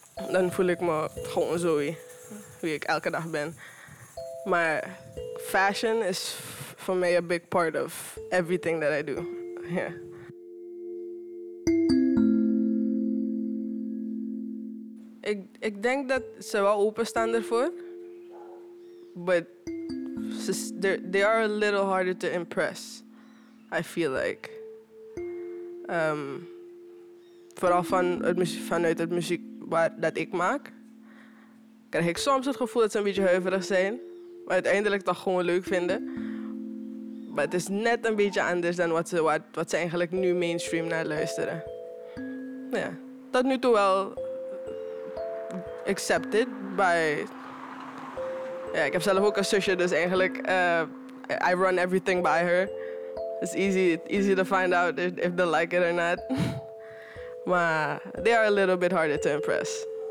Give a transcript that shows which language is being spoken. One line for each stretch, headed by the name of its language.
Dutch: Dan voel ik me gewoon zo wie ik elke dag ben. Maar fashion is voor mij
English: a big part of everything that I do. Yeah.
Dutch: Ik denk dat ze wel openstaan ervoor.
English: But they are a little harder to impress, I feel like.
Dutch: Vooral vanuit het muziek dat ik maak, krijg ik soms het gevoel dat ze een beetje huiverig zijn. Maar uiteindelijk toch gewoon leuk vinden. Maar het is net een beetje anders dan wat ze eigenlijk nu mainstream naar luisteren. Ja, tot nu toe wel
English: accepted by...
Dutch: Ja, ik heb zelf ook een zusje, dus eigenlijk...
English: I run everything by her. It's easy to find out if they like it or not. Maar they are a little bit harder to impress.